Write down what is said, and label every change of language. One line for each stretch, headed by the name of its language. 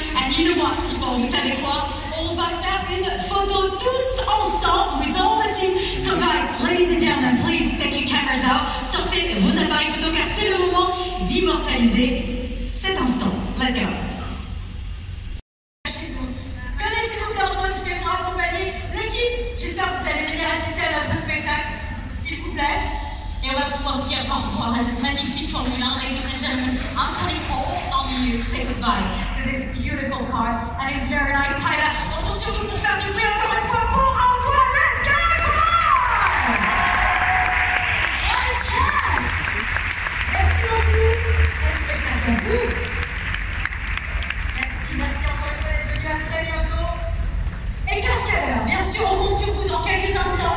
English: And you know what, people,
French: vous savez quoi? On va faire une photo tous ensemble,
English: with all the team. So guys, ladies and gentlemen, please take your cameras out.
French: Sortez vos appareils photo, car c'est le moment d'immortaliser cet instant.
English: Let's go.
French: Venez s'il vous plaît, Antoine, tu fais pour accompagner l'équipe. J'espère que vous allez venir assister à notre spectacle, s'il vous plaît. Et on va pouvoir dire au revoir à cette magnifique Formule 1.
English: Ladies and gentlemen, I'm calling all on you to say goodbye to this beautiful car and this very nice pilot.
French: On compte sur vous pour faire du bruit encore une fois pour Antoine.
English: Let's go, come on!
French: Merci beaucoup. Merci beaucoup. Merci beaucoup. Merci, merci encore une fois d'être venu. À très bientôt. Et cascadeur, bien sûr, on compte sur vous dans quelques instants.